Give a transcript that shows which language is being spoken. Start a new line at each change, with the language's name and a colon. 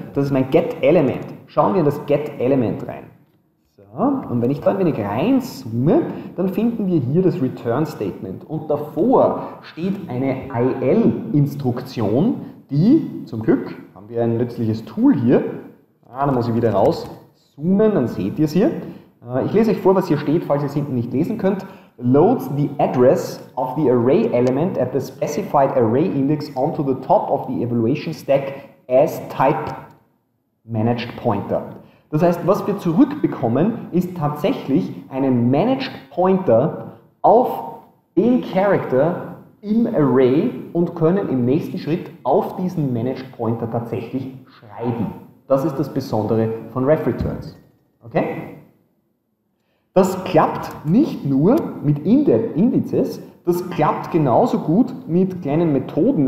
German: Das ist mein GetElement. Schauen wir in das GetElement rein. So, und wenn ich da ein wenig reinzoome, dann finden wir hier das Return-Statement. Und davor steht eine IL-Instruktion, die zum Glück, haben wir ein nützliches Tool hier, dann muss ich wieder raus zoomen, dann seht ihr es hier. Ich lese euch vor, was hier steht, falls ihr es hinten nicht lesen könnt.
English: Loads the address of the array element at the specified array index onto the top of the evaluation stack as type managed pointer.
German: Das heißt, was wir zurückbekommen, ist tatsächlich einen managed pointer auf den Character im Array und können im nächsten Schritt auf diesen managed pointer tatsächlich schreiben. Das ist das Besondere von RefReturns. Okay? Das klappt nicht nur mit Indizes, das klappt genauso gut mit kleinen Methoden.